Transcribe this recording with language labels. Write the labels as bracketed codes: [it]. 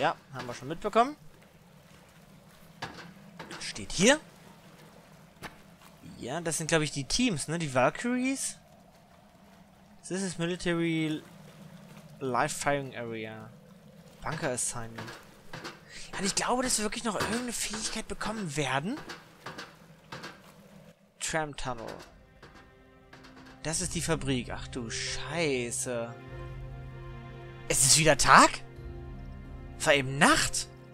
[de] Ja, haben wir schon mitbekommen. Steht hier. Ja, das sind, glaube ich, die Teams, ne? Die Valkyries. [en] This is military live firing area. Bunker assignment. [de] Und ich glaube, dass wir wirklich noch irgendeine Fähigkeit bekommen werden. Tram Tunnel. Das ist die Fabrik. Ach du Scheiße. Es ist wieder Tag? War eben Nacht?